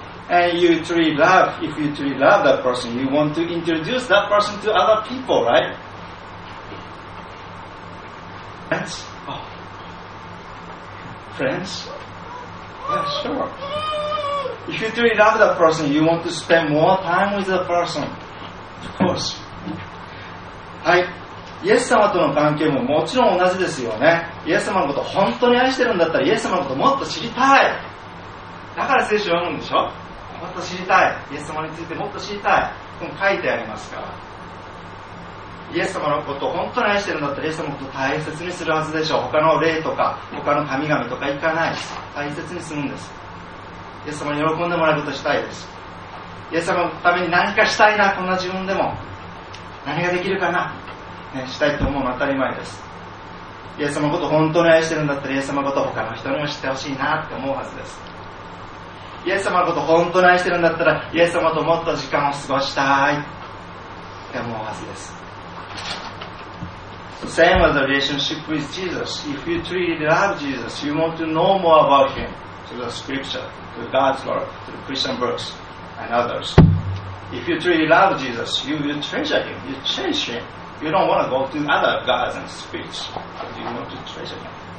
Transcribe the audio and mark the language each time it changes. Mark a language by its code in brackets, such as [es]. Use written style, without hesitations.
[en] And you truly love, if you truly love that person, you want to introduce that person to other people, right? That's... Oh. Friends? Yeah, sure. If you truly love that person, you want to spend more time with that person. Of course. Hi. [ja] イエス様との関係ももちろん同じですよね。イエス様のこと本当に愛してるんだったらイエス様のこともっと知りたい。だから聖書を読むんでしょ。もっと知りたい、イエス様についてもっと知りたい。もう書いてありますから。イエス様のことを本当に愛してるんだったらイエス様のことを大切にするはずでしょう。他の霊とか他の神々とか行かないです。大切にするんです。イエス様に喜んでもらうことしたいです。イエス様のために何かしたいな、こんな自分でも何ができるかなね、したいと思うのは当たり前です。イエス様のことを本当に愛してるんだったらイエス様のことを他の人にも知ってほしいなって思うはずです。イエス様のことを本当に愛してるんだったらイエス様ともっと時間を過ごしたいって思うはずです。 [en] So same as the relationship with Jesus. If you truly love Jesus, you want to know more about him through the scripture, through God's word, through Christian books and others. If you truly love Jesus, you will treasure him, you cherish himYou don't want to go to other gods and spirits, but you want to treasure him.